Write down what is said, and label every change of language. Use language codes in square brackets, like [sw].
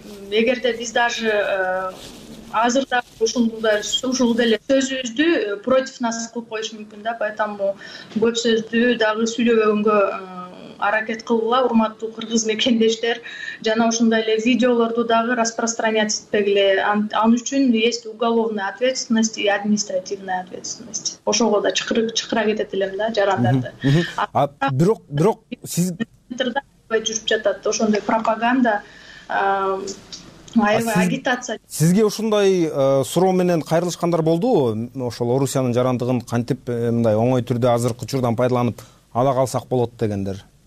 [ky] Эгерде биз даже азырда ушул деле сөзүбүздү [ru] против нас [ky] кылып коюшу мүмкүн да, поэтому көп сөздү дагы сүйлөбөгөнгө аракет кылгыла, урматтуу кыргыз мекендештер, жана ошондой эле видеолорду дагы [ru] распространять [ky] этпегиле. Ан үчүн [ru] есть уголовная ответственность и административная ответственность. [ky] Ошого да чакыра кетет элем да жарандарды. Бирок сиз жүрүп жатат ошондой пропаганда, аябай агитация. Сизге ушундай суроо менен кайрылышкандар болдубу? Ошол Орусиянын жарандыгын кантип мындай оңой түрдө азыркы учурдан пайдаланып ала калсак болот дегендер?